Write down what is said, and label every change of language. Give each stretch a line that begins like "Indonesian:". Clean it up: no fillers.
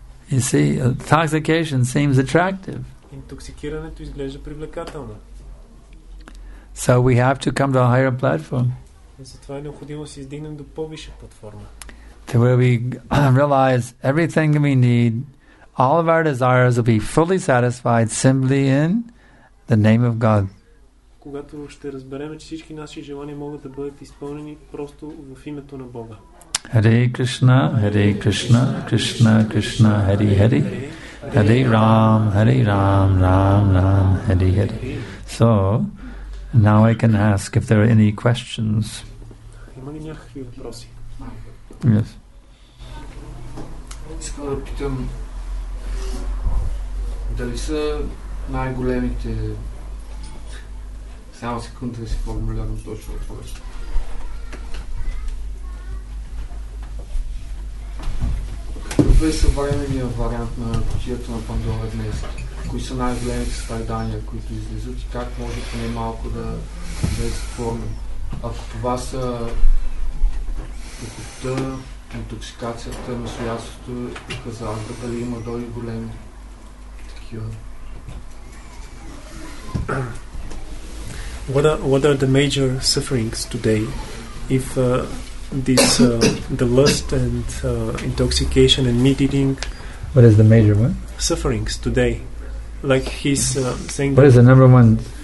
English: You see, intoxication seems attractive.
Bulgarian: Интоксикирането изглежда привлекателно.
English: So we have to come to a higher platform.
Bulgarian: Затова е необходимо да се издигнем до по-висша платформа.
English: To where we realize everything we need, all of our desires will be fully satisfied simply in the name of God.
Bulgarian: Когато ще разберем, че всички наши желания могат да бъдат изпълнени просто в името на Бога.
Sanskrit: Hare Krishna, Hare Krishna, Krishna Krishna, Hare Hare. Hare Ram, Hare Ram, Ram Ram, Hare Hare.
English: So, now I can ask if there are any questions.
Bulgarian: Има ли някакви въпроси?
English: Yes.
Bulgarian: Искам да питам, дали са най-големите... Само секунда да си формулирам точно въпроса. Какъв е съвременният вариант на кутията на Пандора днес? Кои са най-големите страдания, които излизат и как може поне малко да се изпълним? Ако това са покупта, интоксикацията на соядството и хазарта, дали има доли големи такива?
English: What are the major sufferings today? If this the lust and intoxication and meat eating. What is the major one? Sufferings today, like he's saying. What is the number one?